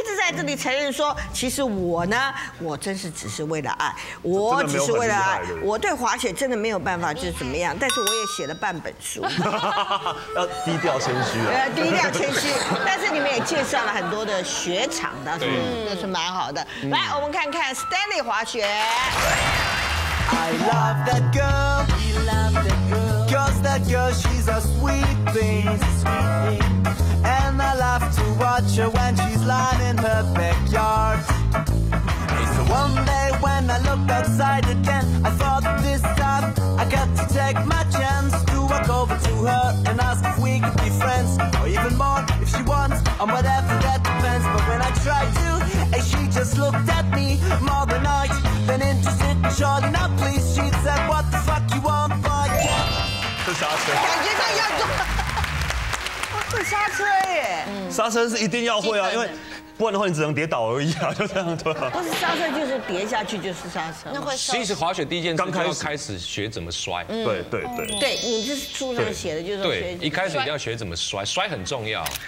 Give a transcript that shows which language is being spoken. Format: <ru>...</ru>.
<zh>这里承认说，其实我呢，我真是只是为了爱，我只是为了爱。我对滑雪真的没有办法，就是怎么样？但是我也写了半本书。要低调谦虚啊。低调谦虚。但是你们也介绍了很多的雪场，倒是那是蛮好的。来，我们看看 Stanley 滑雪。</zh> <en>I love that girl, we love that girl, 'cause that girl she's a sweet thing, and I love to watch her when she's lying in her backyard. So one day when I looked outside again, I thought this time I got to take my chance to walk over to her and ask if we could be friends, or even more if she wants, on whatever that depends. But when I tried to, and she just looked at me more than I'd been interested in, surely not pleased. She said, "What the fuck you want, boy?" That's awesome.</en> <zh>感觉到要会刹车耶。刹车是一定要会啊，因为。不然的话，你只能跌倒而已啊，就这样对吧？不是刹车，就是跌下去就是刹车。那会其实滑雪第一件事刚开始学怎么摔。嗯、对对对。对，你这是书上写的，就是对，一开始一定要学怎么摔，摔很重要。</zh>